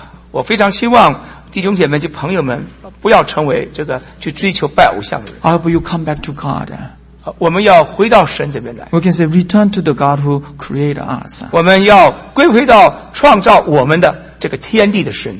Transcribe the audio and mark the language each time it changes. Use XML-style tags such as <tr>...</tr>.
<zh>我非常希望弟兄姐妹及朋友们不要成为这个去追求拜偶像的人。</zh> <en>I hope you come back to God.</en> <zh>我们要回到神这边来。</zh> <en>We can say return to the God who created us.</en> <zh>我们要归回到创造我们的这个天地的神。</zh>